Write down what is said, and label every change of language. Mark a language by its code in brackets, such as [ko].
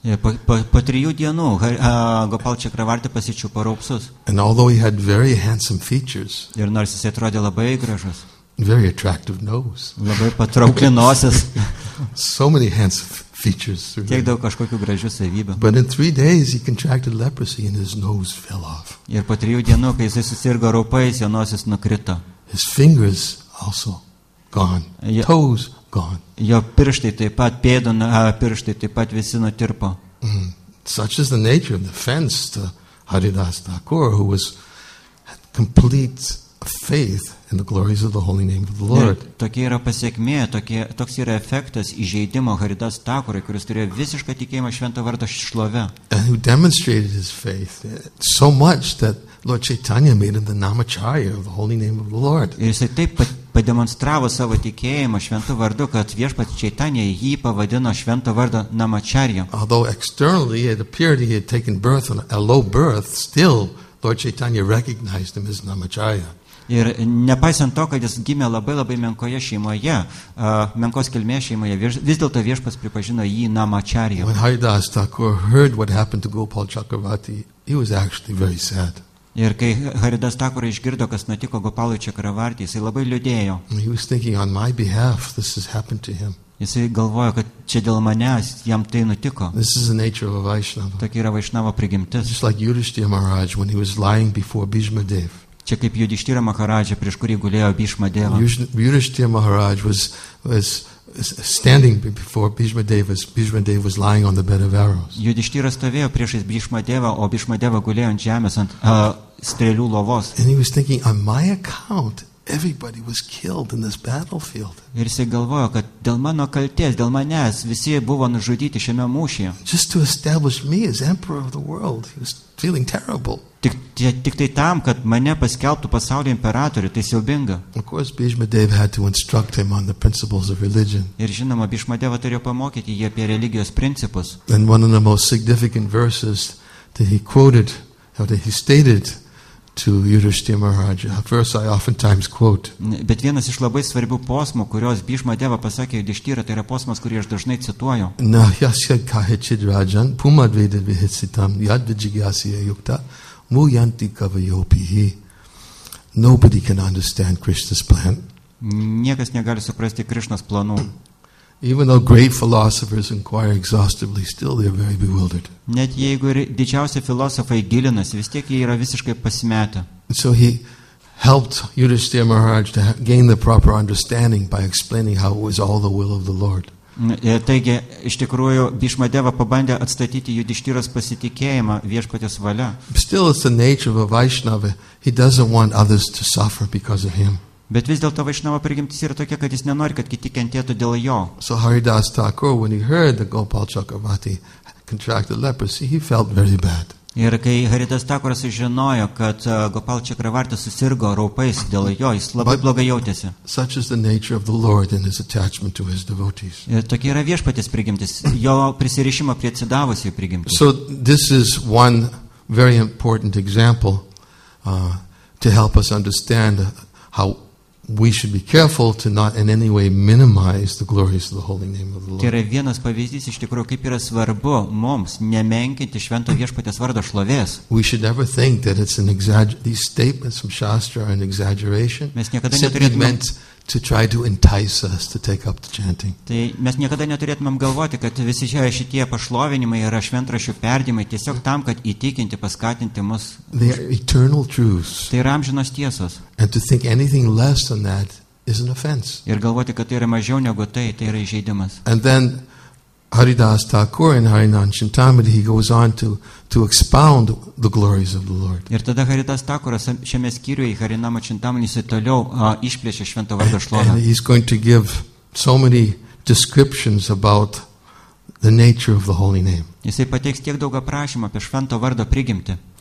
[lt] Po trijų dienų Gopal Chakravarti pasičiupo raupsus. [en] And although he had very handsome features, [lt] ir nors jis atrodė labai gražus, [en] very attractive nose, [lt] labai patraukli nosis, [en] so many handsome features, [lt] tiek daug kažkokių gražių savybių. [en] But in 3 days, he contracted leprosy and his nose fell off. [lt] Ir po trijų dienų, kai jis susirgo raupais, jo nosis nukrito. [en] His fingers also gone. Toes gone. [lt] Jo pirštai taip pat pėdų, pirštai taip pat visi nutirpo. [en] Such is the nature of the offense to Haridas Thakura, who was had complete faith in the glories of the holy name of the Lord. [lt] Tokia yra pasekmė, toks yra efektas įžeidimo Haridas Thakurai, kuris turėjo visišką tikėjimą švento vardo šlove. [en] And who demonstrated his faith so much that Lord Chaitanya made him the Namacharya of the holy name of the Lord. [lt] Ir jis taip pademonstravo savo tikėjimą šventu vardu, kad viešpats Chaitanya jį pavadino švento vardo Namacharya. [en] Although externally it appeared he had taken birth on a low birth, still Lord Chaitanya recognized him as Namacharya. [lt] Ir nepaisant to, kad jis gimė labai labai menkoje šeimoje, menkos kilmės šeimoje, vis dėlto viešpats pripažino jį Namacharya. [en] When Haridas Thakura heard what happened to Gopal Chakravarti, he was actually very sad. [lt] Ir kai Haridas Thakura išgirdo, kas nutiko Gopalui Chakravarti, jisai labai liūdėjo. [en] He was thinking, on my behalf, this has happened to him. [lt] Jisai galvojo, kad čia dėl manęs jam tai nutiko. [en] This is the nature of a Vaishnava. [lt] Tokia yra Vaishnava prigimtis. [en] Just like Yudhishthira Maharaj, when he was lying before Bhishma Dev. [lt] Čia kaip Yudhishthira Maharaj, prieš kurį gulėjo Bhishma Deva. [en] Yudhishthira Maharaj was standing before Bhishma Deva, Bhishma Deva was lying on the bed of arrows. [lt] Yudhishthira stovėjo priešais Bhishma Deva, o Bhishma Deva gulėjo ant žemės ant strėlių lovos. [en] And he was thinking, on my account, everybody was killed in this battlefield. [lt] Ir jis galvojo, kad dėl mano kaltės, dėl manęs, visi buvo nužudyti šiame mūšyje. [en] Just to establish me as emperor of the world, he was feeling terrible. [lt] Tik tai tam, kad mane paskelbtų pasaulio imperatoriu, tai siaubinga. [en] Of course, Bhishma Deva had to instruct him on the principles of religion. [lt] Ir žinoma, Bhishma Deva turėjo pamokyti jį apie religijos principus. [en] And one of the most significant verses that he quoted, or that he stated to Yudhishthira Maharaj, a verse I oftentimes quote. [lt] Bet vienas iš labai svarbių posmų, kurios Bhishma Deva pasakė Yudhishthira, tai yra posmas, kurį aš dažnai cituoju. [sa] Na, yasya kahechid rajan, pumadvedi vihitsitam, yad vijigyasya yukta, muyanti kavayopihi. [en] Nobody can understand Krishna's plan. [lt] Niekas negali suprasti Krishnas planų. [en] Even though great philosophers inquire exhaustively, still they are very bewildered. [lt] Net jeigu ir didžiausi filosofai gilinasi, vis tiek jie yra visiškai pasimetę. [en] So he helped Yudhishthira Maharaj to gain the proper understanding by explaining how it was all the will of the Lord. [lt] Taigi, iš tikrųjų, Bhishma Deva pabandė atstatyti Yudhishthiras pasitikėjimą viešpaties valia. [en] Still it's the nature of a Vaishnava. He doesn't want others to suffer because of him. [lt] Bet vis dėlto Vaishnava prigimtis yra tokia, kad jis nenori, kad kiti kentėtų dėl jo. [en] So Haridas Thakura, when he heard that Gopal Chakravarti contracted leprosy, he felt very bad. [lt] Ir kai Haridas Thakuras žinojo, kad Gopal Čakravartis susirgo raupais dėl jo, jis labai blogai jautėsi. [en] Such is the nature of the Lord and his attachment to his devotees. [lt] Ir tokia yra viešpatės prigimtis, jo prisirišimo prie atsidavusių prigimtis. [en] So this is one very important example to help us understand how we should be careful to not in any way minimize the glories of the holy name of the Lord. [lt] Tai yra vienas pavyzdys iš tikrųjų, kaip yra svarbu mums nemenkinti švento viešpaties vardo šlovės. [en] We should never think that it's an these statements from Shastra are an exaggeration. [lt] Mes niekada neturėtumėm [en] to try to entice us to take up the chanting. [lt] Tai mes niekada neturėtumėm galvoti, kad visi šitie pašlovinimai yra šventrašių perdimai tiesiog tam, kad įtikinti, paskatinti mus. [en] They are eternal truths. [lt] Tai yra amžinos tiesos. [en] And to think anything less than that is an offense. [lt] Ir galvoti, kad tai yra mažiau negu tai, tai yra įžeidimas. [en] And then Haridas Thakur in Harinand Chintamani, he goes on to expound the glories of the Lord. [lt] Ir tada Haridas Thakuras šiame skyriuje Harinama Chintamani jis toliau išplėšė švento vardo šlovę. [en] And he's going to give so many descriptions about the nature of the holy name. [lt] Jisai pateiks tiek daug aprašymų apie švento vardo prigimtį.